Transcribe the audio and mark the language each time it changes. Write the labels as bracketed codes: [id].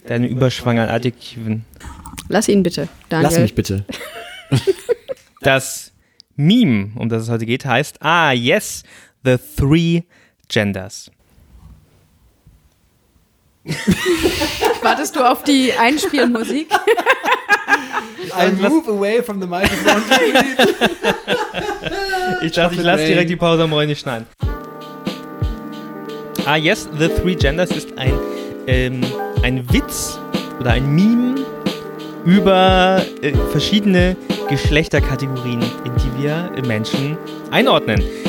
[de] Deine Überschwang an Adjektiven. Lass ihn bitte, Daniel. Lass mich bitte. Das Meme, um das es heute geht, heißt, [en] yes, the three genders. [de] Wartest du auf die Einspielmusik? [en] I move away from the microphone. [de] Ich lasse direkt die Pause am Rollen nicht schneiden. [en] Yes, the three genders [de] ist ein Witz oder ein Meme über verschiedene Geschlechterkategorien, in die wir Menschen einordnen.